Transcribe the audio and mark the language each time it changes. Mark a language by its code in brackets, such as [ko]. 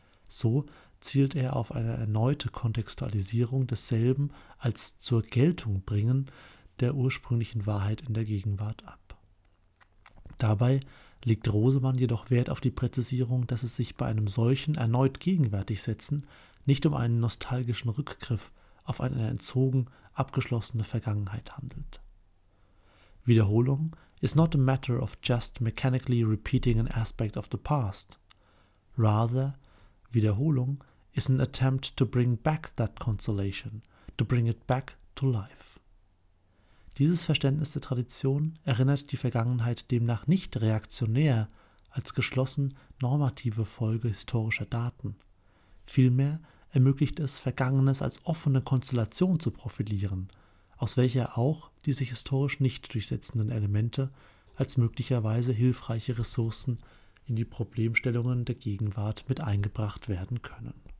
[de] So zielt er auf eine erneute Kontextualisierung desselben als zur Geltung bringen der ursprünglichen Wahrheit in der Gegenwart ab. Dabei legt Rosemann jedoch Wert auf die Präzisierung, dass es sich bei einem solchen erneut gegenwärtig setzen nicht um einen nostalgischen Rückgriff auf eine entzogen abgeschlossene Vergangenheit handelt. [en] Wiederholung is not a matter of just mechanically repeating an aspect of the past. Rather, Wiederholung is an attempt to bring back that consolation, to bring it back to life. [de] Dieses Verständnis der Tradition erinnert die Vergangenheit demnach nicht reaktionär als geschlossen normative Folge historischer Daten. Vielmehr ermöglicht es, Vergangenes als offene Konstellation zu profilieren, aus welcher auch die sich historisch nicht durchsetzenden Elemente als möglicherweise hilfreiche Ressourcen in die Problemstellungen der Gegenwart mit eingebracht werden können.